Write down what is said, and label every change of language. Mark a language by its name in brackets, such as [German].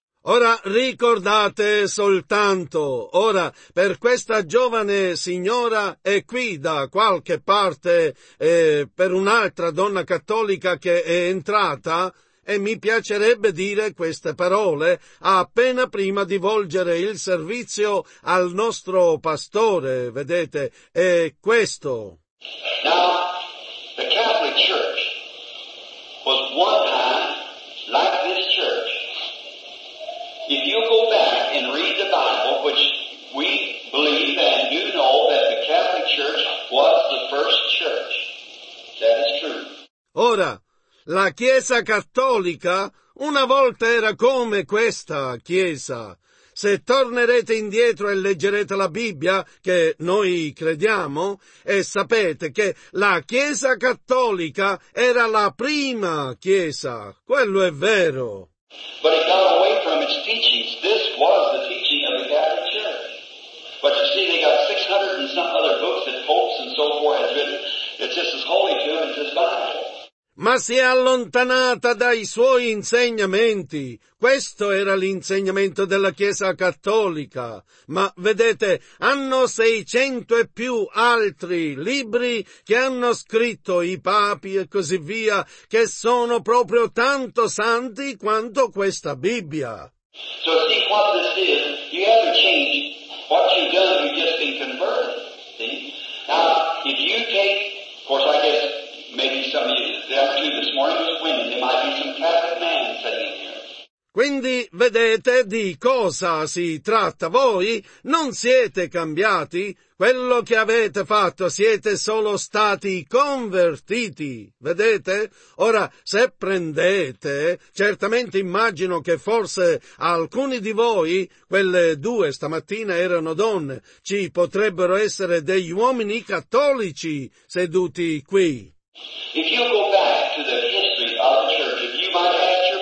[Italian] Ora ricordate soltanto, ora, per questa giovane signora è qui da qualche parte, per un'altra donna cattolica che è entrata, e mi piacerebbe dire queste parole appena prima di volgere il servizio al nostro pastore, vedete, è questo. [English] Now, the Catholic Church was one time like this church. If you go back and read the Bible, which we believe and you know that the Catholic Church was the first church, that is true. [Italian] Ora, la Chiesa Cattolica una volta era come questa Chiesa. Se tornerete indietro e leggerete la Bibbia, che noi crediamo, e sapete che la Chiesa Cattolica era la prima Chiesa. Quello è vero. [English] But it got away from its teachings. This was the teaching of the Catholic Church. But you see, they got 600 and some other books that popes and so forth had written. It's just as holy to them as this Bible. [Italian] Ma si è allontanata dai suoi insegnamenti. Questo era l'insegnamento della Chiesa Cattolica. Ma vedete, hanno 600 e più altri libri che hanno scritto i papi e così via, che sono proprio tanto santi quanto questa Bibbia. [English] So see what this is. You have to change what you've done. You've just been converted. See? Now, if you take, of course, I guess maybe some of you, the other two this morning, women. There might be some Catholic man sitting here. [Italian] Quindi vedete di cosa si tratta. Voi non siete cambiati. Quello che avete fatto, siete solo stati convertiti. Vedete? Ora, se prendete, certamente immagino che forse alcuni di voi, quelle due stamattina erano donne, ci potrebbero essere degli uomini cattolici seduti qui. [English] If you go back to the history of the church, if you might have...